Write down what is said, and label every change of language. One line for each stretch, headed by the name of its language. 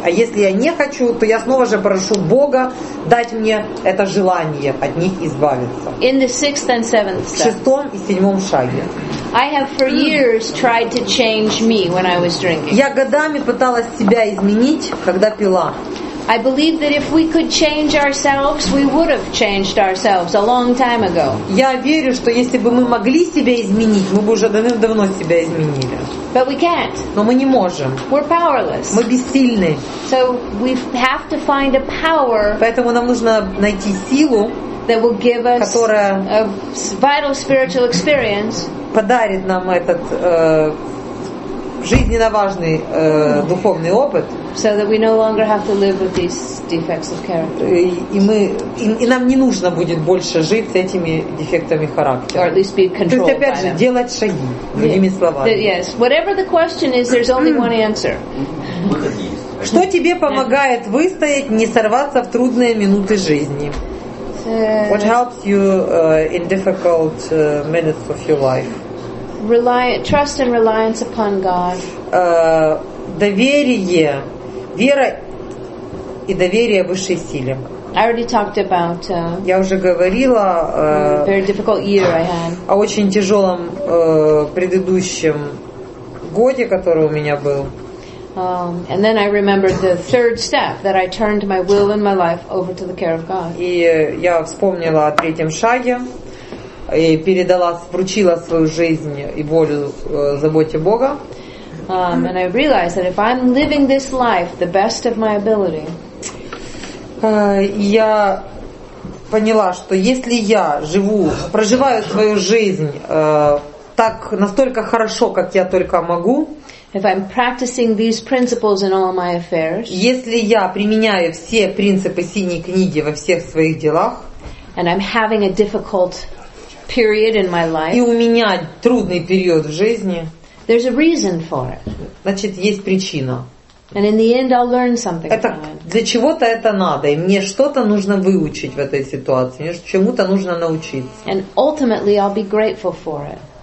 Russian: А если я не хочу, то я снова же прошу Бога дать мне это желание от них избавиться.
English: In the sixth and seventh step.
Russian: В шестом и седьмом шаге.
English: I have for years tried to change me when I was drinking.
Russian: Я годами пыталась себя изменить, когда пила.
English: I believe that if we could change ourselves, we would have changed ourselves a long time ago.
Russian: Я верю, что если бы мы могли себя изменить, мы бы уже давным-давно себя изменили.
English: But we can't.
Russian: Но мы не можем.
English: We're powerless.
Russian: Мы бессильны.
English: So we have to find a power.
Russian: Поэтому нам нужно найти силу,
English: that will give us,
Russian: которая
English: a vital spiritual experience.
Russian: Подарит нам этот жизненно важный духовный опыт.
English: So that we no longer have to live with these defects of character.
Russian: И нам не нужно будет больше жить с этими дефектами характера.
English: Or at least be controlled.
Russian: То есть опять же делать шаги, другими словами.
English: Yes. Whatever the question is, there's only one answer.
Russian: Что тебе помогает выстоять, не сорваться в трудные минуты жизни?
English: What helps you in difficult minutes of your life? Trust and reliance upon God.
Russian: Доверие. Вера и доверие высшей силе.
English: I already talked about,
Russian: я уже говорила
English: very difficult year I had.
Russian: О очень тяжелом предыдущем годе, который у меня был.
English: And then I remembered the third step, that I turned my will and my life over to the care of God.
Russian: И я вспомнила о третьем шаге и передала, вручила свою жизнь и волю заботе Бога.
English: And I realized that if I'm living this life the best of my ability.
Russian: Я поняла, что если я живу, проживаю свою жизнь так настолько хорошо, как я только могу.
English: If I'm practicing these principles in all my affairs.
Russian: Если я применяю все принципы синей книги во всех своих делах.
English: And I'm having a difficult period in my life.
Russian: И у меня трудный период в жизни.
English: There's a reason for it.
Russian: Значит, есть причина.
English: And in the end, I'll learn something.
Russian: Это для чего-то это надо, и мне что-то нужно выучить в этой ситуации, мне чему-то нужно научиться.
English: And ultimately, I'll be grateful for it.